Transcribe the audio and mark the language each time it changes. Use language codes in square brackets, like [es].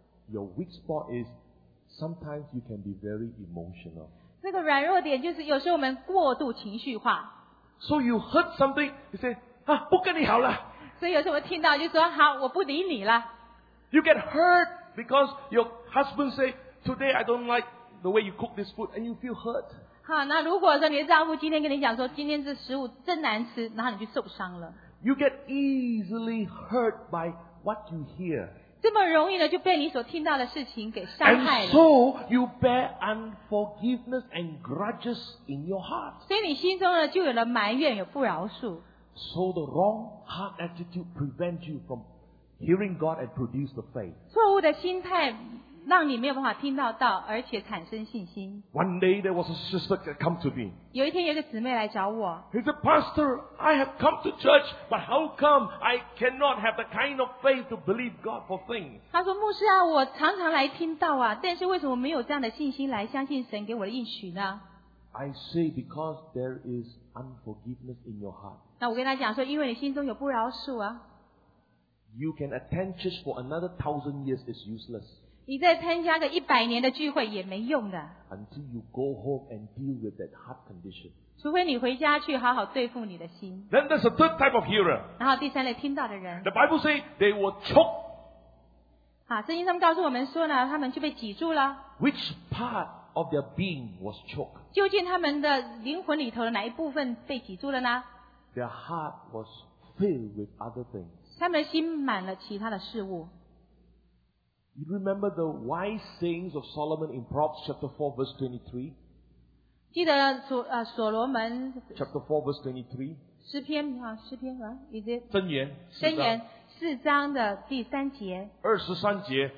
[en] Your weak spot is sometimes you can be very emotional. [zh] 那个软弱点就是有时候我们过度情绪化。 [en] So you heard something, you say, [zh] 啊, 不跟你好了。所以有时候听到就说, 好, 我不理你了。 [en] You get hurt because your husband say, today I don't like the way you cook this food, and you feel hurt. [zh] 好, 那如果说你的丈夫今天跟你讲说, 今天这食物真难吃, 然后你就受伤了。 [en] You get easily hurt by what you hear. [zh] 这么容易呢, 就被你所听到的事情给伤害了。 [en] And so you bear unforgiveness and grudges in your heart. [zh] 所以你心中呢, 就有了埋怨, 有不饶恕。 [en] So the wrong heart attitude prevents you from hearing God and produce the faith. [zh] 错误的心态, 让你没有办法听到道, 而且产生信心。 [en] One day there was a sister that came to me. [zh] 有一天有一个姊妹来找我。 [en] He said, Pastor, I have come to church, but how come I cannot have the kind of faith to believe God for things? [zh] 他说, 牧师啊, 我常常来听道啊, 但是为什么没有这样的信心来相信神给我的应许呢? [en] I say, because there is unforgiveness in your heart. [zh] 那我跟他讲说, 因为你心中有不饶恕啊。 [en] You can attend church for another 1,000 years, it's useless. [zh] 你再参加个一百年的聚会也没用的。 [en] Until you go home and deal with that heart condition. Then there's a third type of hearer. [zh] 然后第三类听到的人, [en] the Bible says they were choked. [zh] 圣经他们告诉我们说呢, [en] which part of their being was choked? [zh] 究竟他们的灵魂里头的哪一部分被挤住了呢? [en] Their heart was filled with other things. [zh] 他们的心满了其他的事物。 [en] You remember the wise sayings of Solomon in Proverbs chapter 4 verse 23? [zh] 记得所罗门 [en] chapter 4 verse 23? [zh] 诗篇,是篇, [en] is it? [zh] 箴言,箴言。四章的第三节。23节。